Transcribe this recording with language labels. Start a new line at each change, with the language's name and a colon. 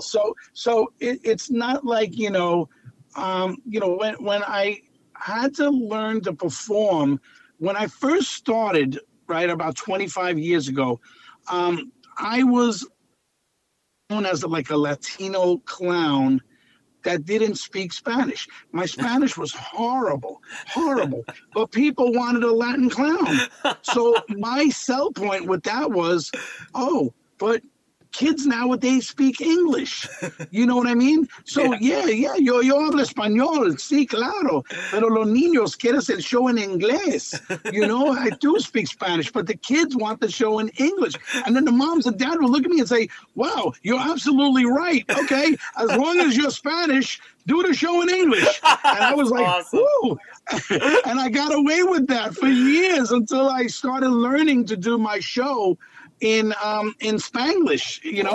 English: So it's not like, you know, when I had to learn to perform, when I first started, right, about 25 years ago, I was known as like a Latino clown that didn't speak Spanish. My Spanish was horrible, but people wanted a Latin clown. So my sell point with that was, oh, but kids nowadays speak English. You know what I mean? So yeah,
Spanish: yo hablo español, sí, claro, pero los niños quieren el show en inglés.
English: You know, I do speak Spanish, but the kids want the show in English. And then the moms and dad will look at me and say, wow, you're absolutely right. Okay, as long as you're Spanish, do the show in English. And I was like, awesome. Ooh. And I got away with that for years until I started learning to do my show in Spanglish, you know.